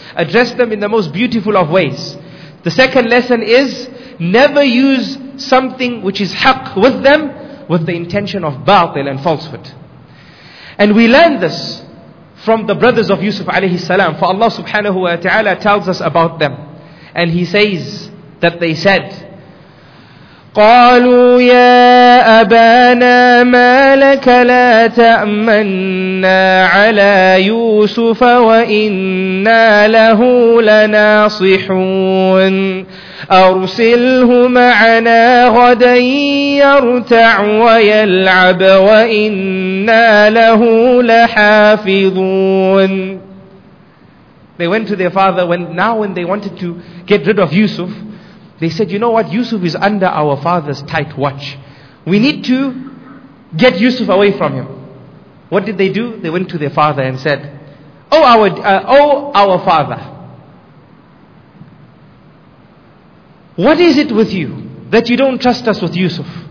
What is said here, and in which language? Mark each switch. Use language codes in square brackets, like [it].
[en] Address them in the most beautiful of ways. The second lesson is never use something which is haqq with them with the intention of batil and falsehood. And we learn this from the brothers of Yusuf alayhi salam, for Allah subhanahu wa ta'ala tells us about them. And he says that they said, [ar] قالوا يا أبانا ما لك لا تأمنا على يوسف وإنا له لناصحون أرسله معنا غدا يرتع ويلعب وإنا له لحافظون. [en] They went to their father when they wanted to get rid of Yusuf. They said, you know what, Yusuf is under our father's tight watch. We need to get Yusuf away from him. What did they do? They went to their father and said, Oh our father, what is it with you that you don't trust us with Yusuf?